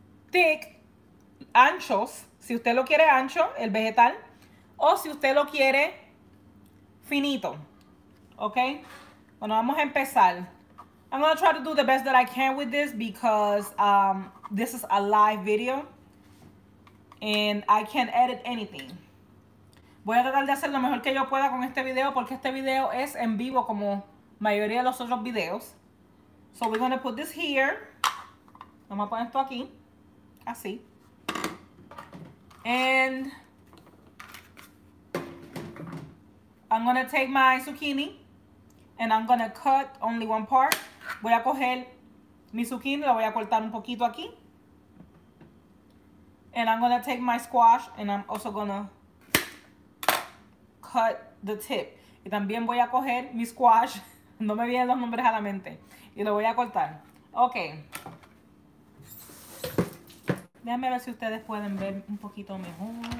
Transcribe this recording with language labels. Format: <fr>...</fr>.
<es>Thick, anchos, si usted lo quiere ancho, el vegetal, o si usted lo quiere finito, ok, bueno, vamos a empezar.</es> <en>I'm going to try to do the best that I can with this because this is a live video and I can't edit anything.</en> <es>Voy a tratar de hacer lo mejor que yo pueda con este video porque este video es en vivo como mayoría de los otros videos.</es> <en>So we're going to put this here,</en> <es>vamos a poner esto aquí. Así.</es> <en>And I'm going to take my zucchini and I'm going to cut only one part.</en> <es>Voy a coger mi zucchini, la voy a cortar un poquito aquí.</es> <en>And I'm going to take my squash and I'm also going to cut the tip.</en> <es>Y también voy a coger mi squash, no me vienen los nombres a la mente, y lo voy a cortar. Okay. Déjame ver si ustedes pueden ver un poquito mejor.</es>